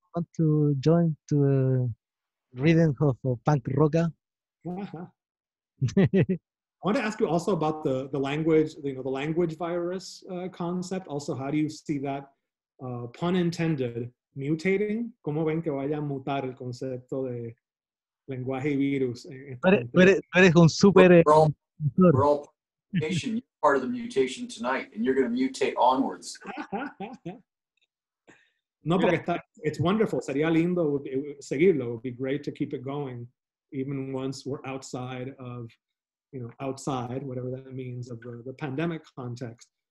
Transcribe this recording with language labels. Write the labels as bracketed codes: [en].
[en] I want to join to reading of Punk Roca. I want to ask you also about the language, you know, the language virus concept. Also, how do you see that, pun intended, mutating? [es] ¿Cómo ven que vaya a mutar el concepto de lenguaje virus? Pero es un super... [en] We're all mutation. You're part of the mutation tonight, and you're going to mutate onwards. [es] No, porque [en] it's wonderful. [es] Sería lindo seguirlo. [en] It would be great to keep it going, even once we're outside of, you know, outside, whatever that means, of the pandemic context.